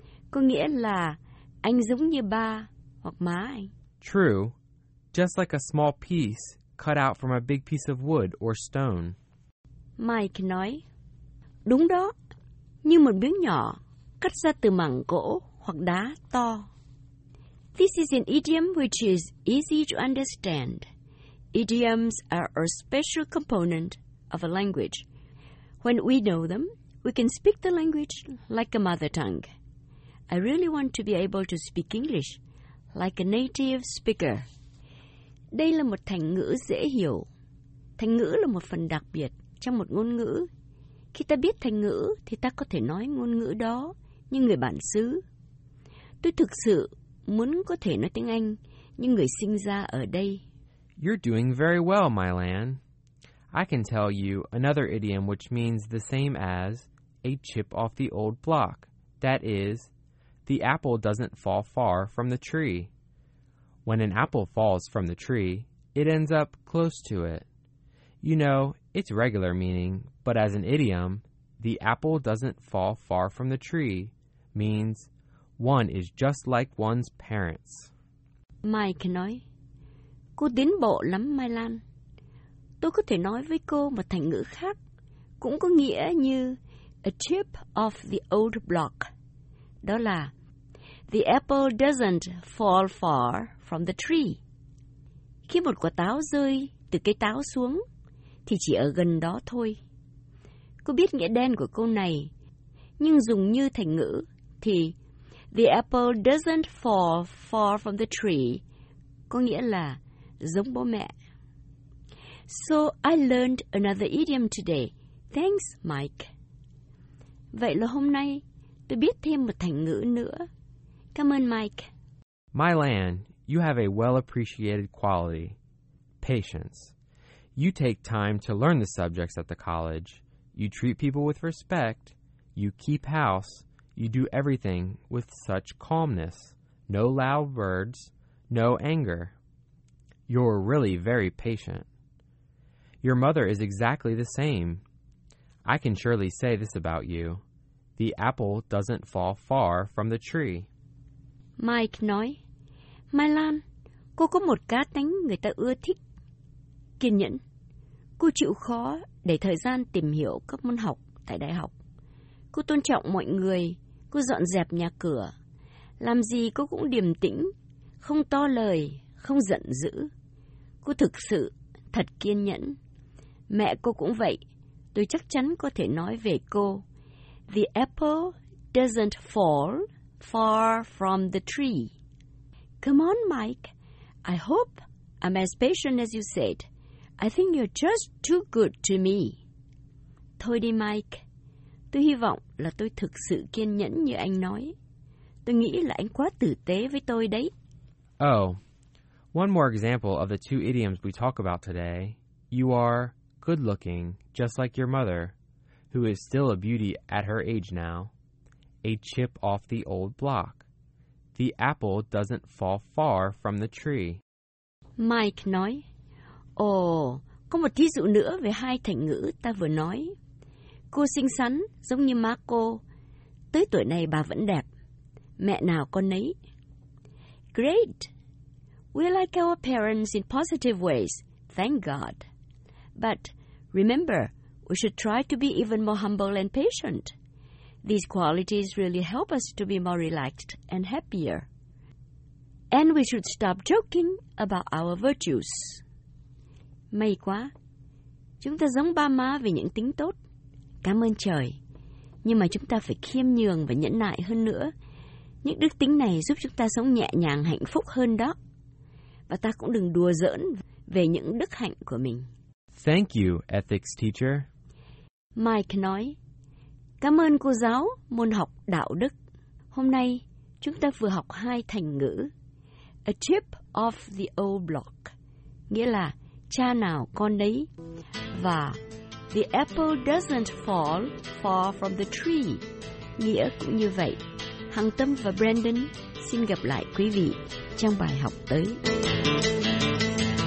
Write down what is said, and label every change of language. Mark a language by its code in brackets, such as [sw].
[vi] Có nghĩa là anh giống như ba hoặc má anh. [en] True, just like a small piece cut out from a big piece of wood or stone. [vi] Mike nói, đúng đó, như một miếng nhỏ cắt ra từ mảng gỗ hoặc đá to. [en] This is an idiom which is easy to understand. Idioms are a special component of a language. When we know them, we can speak the language like a mother tongue. I really want to be able to speak English like a native speaker. [vi] Đây là một thành ngữ dễ hiểu. Thành ngữ là một phần đặc biệt trong một ngôn ngữ. Khi ta biết thành ngữ thì ta có thể nói ngôn ngữ đó như người bản xứ. Tôi thực sự muốn có thể nói tiếng Anh như người sinh ra ở đây. [en] You're doing very well, Mylan. I can tell you another idiom which means the same as a chip off the old block. That is, the apple doesn't fall far from the tree. When an apple falls from the tree, it ends up close to it. You know, it's regular meaning, but as an idiom, the apple doesn't fall far from the tree means one is just like one's parents. [vi] Mike nói, cô tiến bộ lắm, Mai Lan. Tôi có thể nói với cô một thành ngữ khác, cũng có nghĩa như [en] a chip off the old block. [vi] Đó là, [en] the apple doesn't fall far from the tree. [vi] Khi một quả táo rơi từ cây táo xuống, thì chỉ ở gần đó thôi. Cô biết nghĩa đen của câu này, nhưng dùng như thành ngữ thì [en] the apple doesn't fall far from the tree [vi] có nghĩa là giống bố mẹ. [en] So I learned another idiom today. Thanks, Mike. [vi] Vậy là hôm nay tôi biết thêm một thành ngữ nữa. Cảm ơn Mike. [en] Mylan, you have a well-appreciated quality, patience. You take time to learn the subjects at the college. You treat people with respect. You keep house. You do everything with such calmness. No loud words, no anger. You're really very patient. Your mother is exactly the same. I can surely say this about you. The apple doesn't fall far from the tree. [vi] Mike nói, Mai Lan, cô có một cá tính người ta ưa thích. Kiên nhẫn. Cô chịu khó để thời gian tìm hiểu các môn học tại đại học. Cô tôn trọng mọi người. Cô dọn dẹp nhà cửa. Làm gì cô cũng điềm tĩnh, không to lời, không giận dữ. Cô thực sự thật kiên nhẫn. Mẹ cô cũng vậy. Tôi chắc chắn có thể nói về cô. [en] The apple doesn't fall far from the tree. Come on, Mike. I hope I'm as patient as you said. I think you're just too good to me. [vi] Thôi đi, Mike. Tôi hy vọng là tôi thực sự kiên nhẫn như anh nói. Tôi nghĩ là anh quá tử tế với tôi đấy. [en] Oh, one more example of the two idioms we talk about today. You are good-looking, just like your mother, who is still a beauty at her age now. A chip off the old block. The apple doesn't fall far from the tree. [vi] Mike nói, ồ, có một thí dụ nữa về hai thành ngữ ta vừa nói. Cô xinh xắn, giống như má cô. Tới tuổi này bà vẫn đẹp. Mẹ nào con nấy. [en] Great! We like our parents in positive ways, thank God. But remember, we should try to be even more humble and patient. These qualities really help us to be more relaxed and happier. And we should stop joking about our virtues. [vi] May quá. Chúng ta giống ba má về những tính tốt. Cảm ơn trời. Nhưng mà chúng ta phải khiêm nhường và nhẫn nại hơn nữa. Những đức tính này giúp chúng ta sống nhẹ nhàng hạnh phúc hơn đó. Và ta cũng đừng đùa giỡn về những đức hạnh của mình. [en] Thank you, ethics teacher. [vi] Mike nói, cảm ơn cô giáo môn học đạo đức. Hôm nay, chúng ta vừa học hai thành ngữ. [en] A chip off the old block. [vi] Nghĩa là cha nào con đấy. Và [en] the apple doesn't fall far from the tree. [vi] Nghĩa cũng như vậy. Hằng Tâm và Brandon xin gặp lại quý vị trong bài học tới.